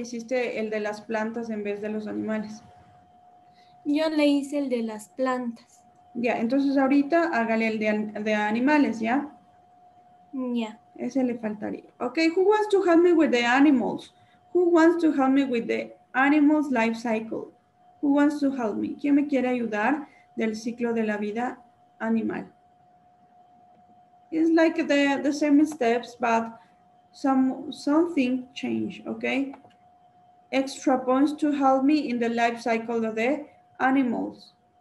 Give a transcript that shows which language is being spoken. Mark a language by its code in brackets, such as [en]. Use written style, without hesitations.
[es] ¿Hiciste el de las plantas en vez de los animales? Yo le hice el de las plantas. Ya, entonces ahorita hágale el de animales, ¿ya? Ya. Yeah. Ese le faltaría. [en] Ok, who wants to help me with the animals? Who wants to help me with the animals life cycle? Who wants to help me? [es] ¿Quién me quiere ayudar del ciclo de la vida animal? [en] It's like the same steps, but something changed, okay? Extra points to help me in the life cycle of the animals.